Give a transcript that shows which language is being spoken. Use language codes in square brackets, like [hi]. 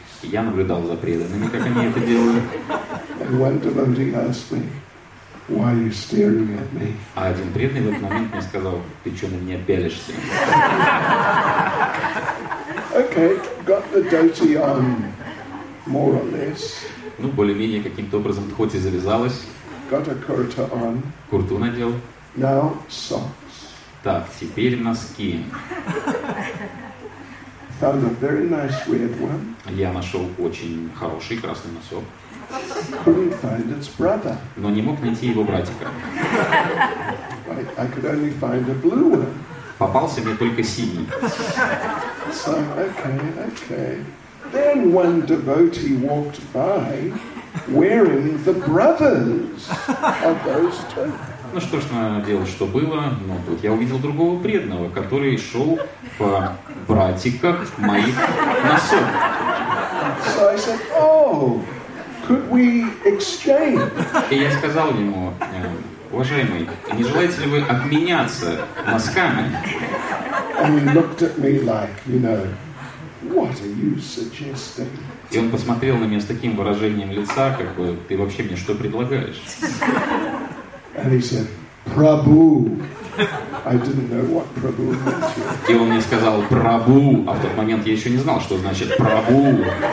[ru] Я наблюдал за преданными, как они это делали. [en] And one devotee asked me, why are you staring at me? [ru] А один преданный в этот момент мне сказал, ты что на меня пялишься? [en] Okay, got the dhoti on, more or less. [ru] Ну, более-менее каким-то образом хоть и завязалось. [en] Got a kurta on. [ru] Курту надел. [en] Now socks. [ru] Так, теперь носки. [en] Found a very nice red one. [ru] Я нашел очень хороший красный носок. [en] Couldn't find its brother. [ru] Но не мог найти его братика. [en] I could only find a blue one. [ru] Попался мне только синий. [en] So, okay, okay. Then one devotee walked by wearing the brothers of those two. [ru] Ну что ж, надеялось, что было, но тут я увидел другого преданного, который шел по братиках моих носок. [en] So I said, oh, could we exchange? [ru] И я сказал ему, уважаемый, не желаете ли вы обменяться носками? [en] And he looked at me like, you know, what are you suggesting? [ru] И он посмотрел на меня с таким выражением лица, как бы, ты вообще мне что предлагаешь? [en] And he said, Prabhu. I didn't know what Prabhu meant. [ru] И он мне сказал, Прабу. А в тот момент я еще не знал, что значит Прабу.